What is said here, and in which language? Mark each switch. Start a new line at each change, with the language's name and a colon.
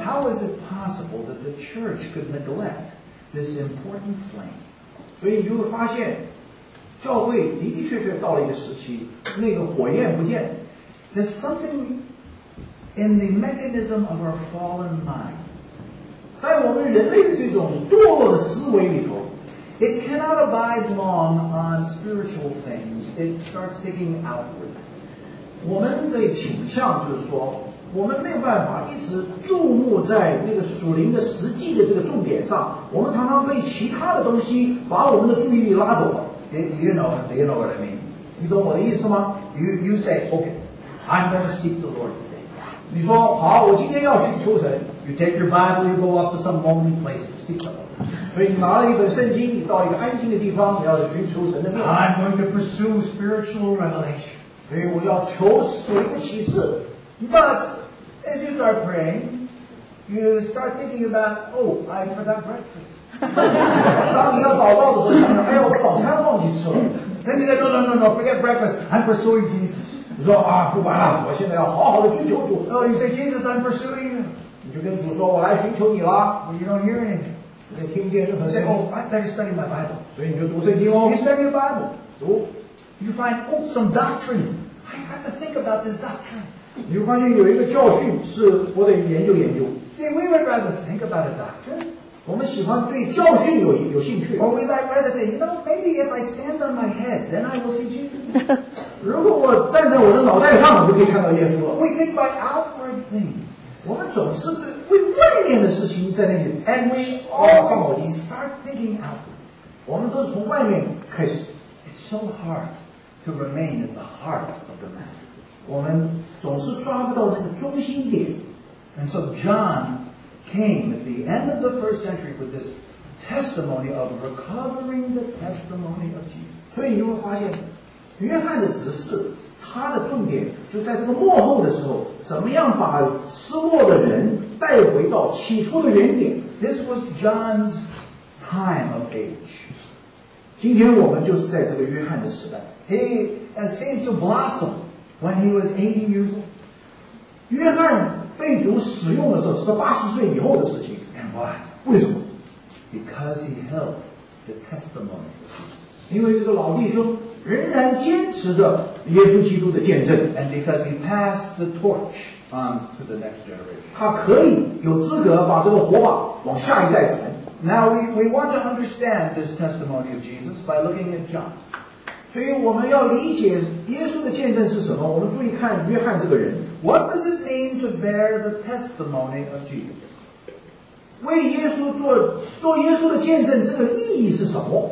English: How is it possible that the church could neglect this important flame?
Chinese: 所以你就会发现，教会的的确确到了一个时期，那个火焰不见。
English: There's something... In the mechanism of our fallen mind,
Chinese: 在我们人类的这种堕落的思维里头
English: it cannot abide long on spiritual things. It starts digging outward.
Chinese: 我们的倾向就是说，我们没有办法一直注目在那个属灵的实际的这个重点上。我们常常被其他的东西把我们的注意力拉走了。
English: Do you know what I mean?
Chinese: 你懂我的意思吗
English: ？You say, okay, I'm going to seek the Lord.
Chinese: 你说好，我今天要去求神。
English: You take your Bible, you go up to some lonely place to seek the Lord.
Chinese: 所以你拿了一本圣经，你到一个安静的地方，你要去求神的命。
English: I'm going to pursue spiritual revelation.
Chinese: 所以我要求属灵的启示。
English: But as you start praying, you start thinking about, oh, I forgot breakfast.
Chinese: 当你要祷告的时候，想着哎呀，我早餐忘记吃了。
English: Then you say, no, forget breakfast. I'm pursuing Jesus.
Chinese: 你说啊，不管了，我现在要好好的追求主。
English: Oh, you say Jesus, I'm pursuing you.
Chinese: 你就跟主说，我来寻求你了。
English: You don't hear anything.
Chinese: 你听不见任何声音。
English: Oh, I better study my Bible.
Chinese: 所以你就读圣经哦。
English: You study your Bible.
Chinese: 读。
English: You find, oh, some doctrine. I have to think about this doctrine.
Chinese: 你会发现有一个教训是我得研究研究。
English: See, we would rather think about a doctrine.
Chinese: 我们喜欢对教训 有兴趣。
English: Or we might rather say, you know, maybe if I stand on my head, then I will see Jesus.
Chinese: 如果我站在我的脑袋上，我就可以看到耶稣了。
English: We think by outward things.
Chinese: 我们总是为外面的事情在那里。
English: And we always start thinking outward.
Chinese: 我们都是从外面开始。
English: It's so hard to remain in the heart of the matter.
Chinese: 我们总是抓不到那个中心点。
English: And so John came at the end of the first century with this testimony of recovering the testimony of Jesus.
Chinese: 所以你会发现，约翰的指示，他的重点就在这个末后的时候，怎么样把失落的人带回到起初的原点。
English: This was John's time of age.
Chinese: 今天我们就是在这个约翰的时代。
English: He seemed to blossom. When he was 80 years old.
Chinese: 约翰被主使用的时候是到80岁以后的事情。
English: And why?
Chinese: 为什么?
English: Because he held the testimony.
Chinese: 因为这个老弟兄仍然坚持着耶稣基督的见证。
English: And because he passed the torch on to the next generation.
Chinese: 他可以有资格把这个火把往下一代传。
English: Now we want to understand this testimony of Jesus by looking at John.
Chinese: 所以我们要理解耶稣的见证是什么。我们注意看约翰这个人。
English: What does it mean to bear the testimony of Jesus?
Chinese: 为耶稣做耶稣的见证，这个意义是什么？